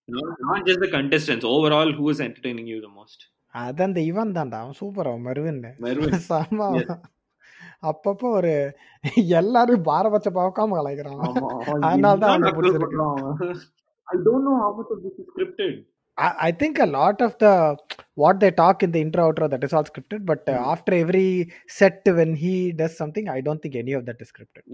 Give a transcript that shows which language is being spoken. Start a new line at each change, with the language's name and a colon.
English: Not just the contestants, overall who is entertaining you the most?
Tamil: அதான் இந்த இவன் தான்டா, அவன் சூப்பர். அவன் மெருவின் சாமா அப்பப்போ ஒரு எல்லாரும் பாரபட்ச பாக்காம கலாய்க்கிறான். அதனாலதான் அவன் பிடிச்சிருக்கான்.
English: I think a lot of the what they talk in the intro outro that is all scripted, but after every set when he does something I don't think any of that is scripted.